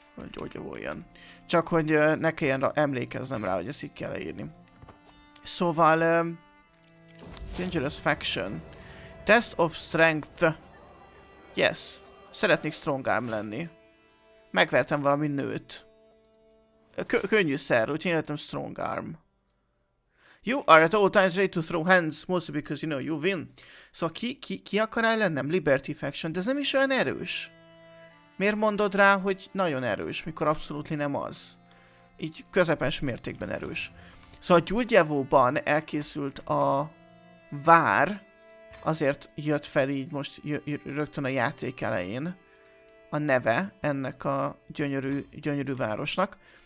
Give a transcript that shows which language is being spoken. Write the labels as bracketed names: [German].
[Hungarian] Gyurgyevó jön. Csak hogy ne kelljen emlékeznem rá, hogy ezt így kell leírni. Szóval... Dangerous Faction. [English] Test of Strength. Yes. [Hungarian] Szeretnék strong arm lenni. Megvertem valami nőt. Könnyűszer, úgyhogy életem strong arm. [English] You are at all times ready to throw hands, mostly because you know you win. [Hungarian] Szóval ki akar ellenem? Liberty Faction, de ez nem is olyan erős. Miért mondod rá, hogy nagyon erős, mikor abszolút nem az? Így közepes mértékben erős. Szóval Gyurgyevóban elkészült a vár, azért jött fel így most rögtön a játék elején a neve ennek a gyönyörű városnak.